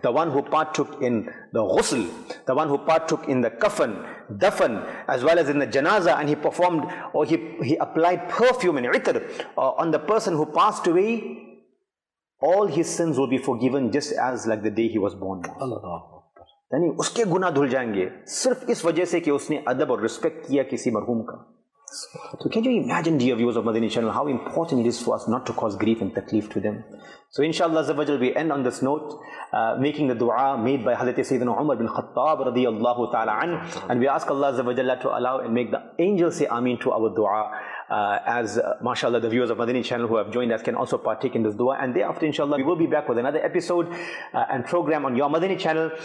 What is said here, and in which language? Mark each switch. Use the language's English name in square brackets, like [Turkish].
[English] The one who partook in the ghusl, the one who partook in the kafan, dafan, as well as in the janazah, and he performed or he applied perfume and itr on the person who passed away, all his sins will be forgiven, just as like the day he was born. [Urdu] یعنی اس کے گناہ دھل جائیں گے صرف اس وجہ سے کہ اس نے ادب اور رسپیکٹ کیا کسی مرحوم کا. [English] So can you imagine, dear viewers of Madani Channel, how important it is for us not to cause grief and takleef to them? So inshallah azawajal, we end on this note, making the dua made by Hazrat Sayyidina Umar bin Khattab radiyallahu ta'ala an, and we ask Allah azawajal to allow and make the angels say ameen to our dua, as mashallah the viewers of Madani Channel who have joined us can also partake in this dua, and thereafter inshallah we will be back with another episode and program on your Madani Channel.